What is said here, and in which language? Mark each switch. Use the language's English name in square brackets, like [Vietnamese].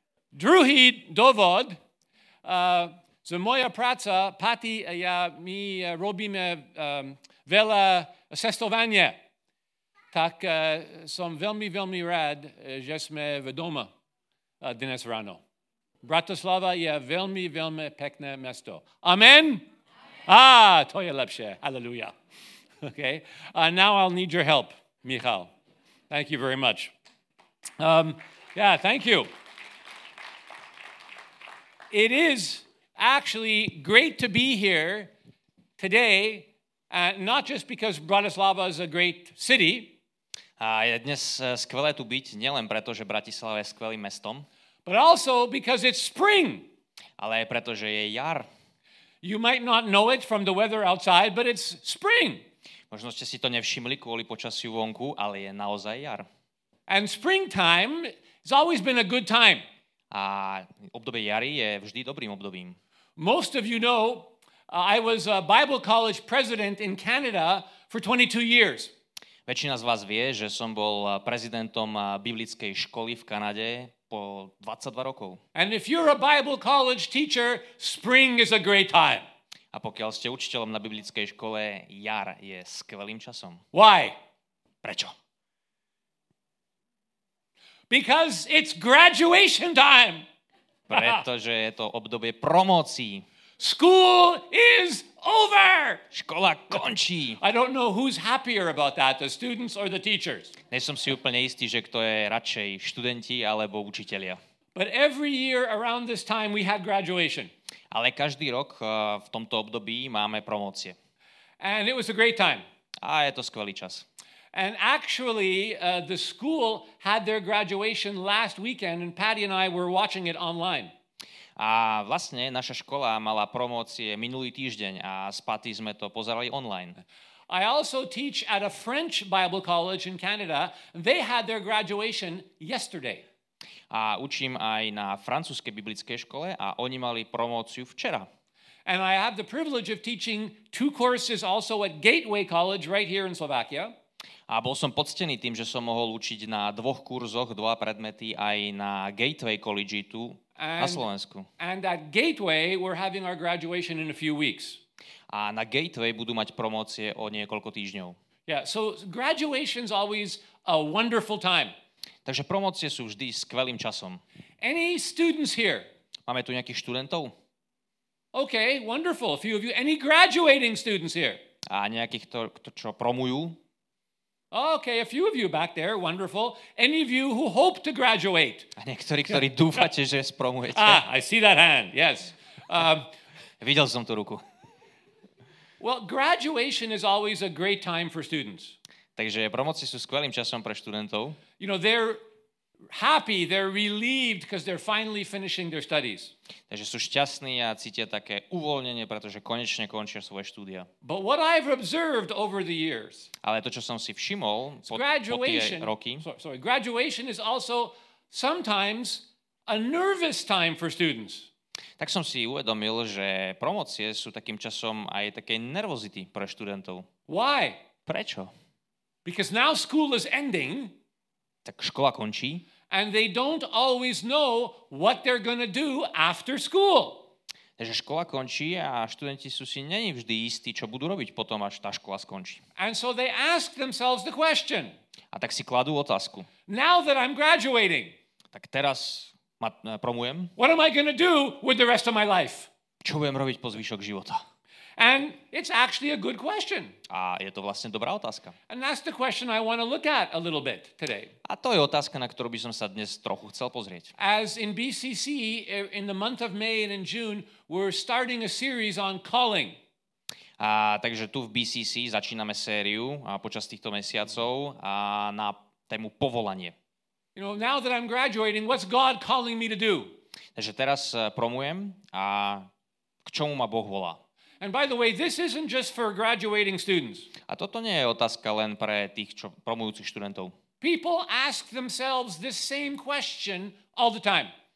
[Slovak] Druhý dôvod, z moja práca, Patty a ja, my robíme veľa cestovania. Tak som veľmi, veľmi rád, že sme v doma dnes ráno. Bratislava je veľmi, veľmi pekné mesto. Amen? Amen. To je lepšie. Halleluja. Okay. [English] Now I'll need your help, Michal. Thank you very much. Thank you. It is actually great to be here today, not just because Bratislava is a great city. [Slovak] A je dnes skvelé tu byť, nielen preto, že Bratislava je skvelým mestom. [English] But also because it's spring. [Slovak] Ale aj preto, že je jar. [English] You might not know it from the weather outside, but it's spring. [Slovak] Možno ste si to nevšimli kvôli počasiu vonku, ale je naozaj jar. [English] And springtime has always been a good time. [Slovak] A obdobie jary je vždy dobrým obdobím. [English] Most of you know, I was a Bible college president in Canada for 22 years. [Slovak] Väčšina z vás vie, že som bol prezidentom biblickej školy v Kanade po 22 rokov. [English] And if you're a Bible college teacher, spring is a great time. [Slovak] A pokiaľ ste učiteľom na biblickej škole, jar je skvelým časom. [English] Why? [Slovak] Prečo? [English] Because it's graduation time. [Slovak] Pretože je to obdobie promócií. [English] School is over. [Slovak] Škola končí. [English] I don't know who's happier about that, the students or the teachers. [Slovak] Nie som si úplne istý, že kto je radšej, študenti alebo učitelia. [English] But every year around this time we have graduation. [Slovak] Ale každý rok v tomto období máme promócie. [English] And it was a great time. [Slovak] A je to skvelý čas. [English] And actually the school had their graduation last weekend and Patty and I were watching it online. [Slovak] A vlastne naša škola mala promócie minulý týždeň a s Patty sme to pozerali online. [English] I also teach at a French Bible college in Canada. They had their graduation yesterday. [Slovak] A učím aj na francúzskej biblickej škole a oni mali promóciu včera. [English] And I have the privilege of teaching two courses also at Gateway College right here in Slovakia. [Slovak] A bol som poctený tým, že som mohol učiť na dvoch kurzoch, dva predmety aj na Gateway College tu na Slovensku. [English] And at Gateway we're having our graduation in a few weeks. [Slovak] A na Gateway budú mať promócie o niekoľko týždňov. [English] Yeah, so graduation is always a wonderful time. [Slovak] Takže promócie sú vždy skvelým časom. [English] Any students here? [Slovak] Máme tu nejakých študentov? [English] Okay, wonderful. A few of you. Any graduating students here? [Slovak] A nejakých, čo promujú? [English] Okay, a few of you back there. Wonderful. Any of you who hope to graduate? [Slovak] A niektorí, ktorí dúfate, že spromujete. [English] I see that hand. Yes. [Slovak] Videl som tú ruku. [English] Well, graduation is always a great time for students. [Slovak] Takže promócie sú skvelým časom pre študentov. [English] You know, they're happy, they're relieved because they're finally finishing their studies. [Slovak] Takže sú šťastní a cítia také uvoľnenie, pretože konečne končia svoje štúdia. [English] But what I've observed over the years. [Slovak] Ale to, čo som si všimol po tie roky. [English] Sorry, graduation is also sometimes a nervous time for students. [Slovak] Tak som si uvedomil, že promócie sú takým časom aj takej nervozity pre študentov. [English] Why? [Slovak] Prečo? [English] Because now school is ending. [Slovak] Tak škola končí. [English] And they don't always know what they're going to do after school. [Slovak] Takže škola končí a študenti sú si není vždy istí, čo budú robiť potom, až tá škola skončí. [English] And so they ask themselves the question. [Slovak] A tak si kladú otázku. [English] Now that I'm graduating. [Slovak] Tak teraz ma promujem. [English] What am I going to do with the rest of my life? [Slovak] Čo budem robiť po zvyšok života? [English] And it's actually a good question. [Slovak] A je to vlastne dobrá otázka. [English] And that's the question I want to look at a little bit today. [Slovak] A to je otázka, na ktorú by som sa dnes trochu chcel pozrieť. [English] As in BCC, in the month of May and in June, we're starting a series on calling. [Slovak] A takže tu v BCC začíname sériu a počas týchto mesiacov a na tému povolanie. [English] You know, now that I'm graduating, what's God calling me to do? [Slovak] Takže teraz promujem a k čomu ma Boh volá? [English] And by the way, this isn't just for graduating students. [Slovak] A toto nie je otázka len pre tých čo, promujúcich študentov. [English] People ask themselves this same question all the time.